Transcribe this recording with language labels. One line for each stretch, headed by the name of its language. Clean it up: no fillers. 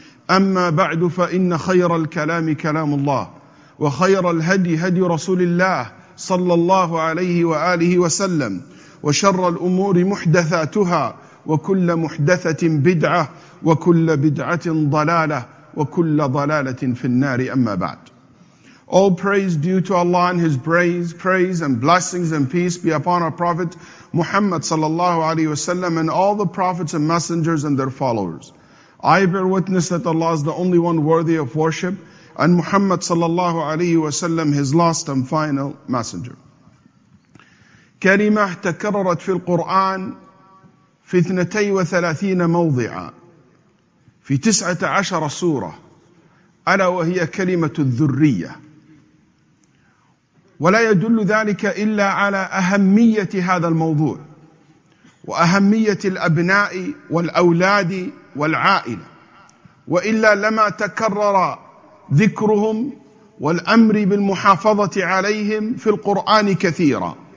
Arabic: أما بعد فإن خير الكلام كلام الله وخير الهدي هدي رسول الله صلى الله عليه وآله وسلم وشر الأمور محدثاتها وكل محدثة بدعة وكل بدعة ضلالة وكل ضلالة في النار أما بعد.
English: All praise due to Allah and His praise and blessings and peace be upon our Prophet Muhammad sallallahu alaihi wasallam and all the prophets and messengers and their followers. I bear witness that Allah is the only one worthy of worship and Muhammad sallallahu alaihi wasallam His last and final messenger.
Arabic: كلمه تكررت في القرآن في 32 موضعا في 19 سورة ألا وهي كلمة الذرية. ولا يدل ذلك إلا على أهمية هذا الموضوع وأهمية الأبناء والأولاد والعائلة، وإلا لما تكرر ذكرهم والأمر بالمحافظة عليهم في القرآن كثيرا.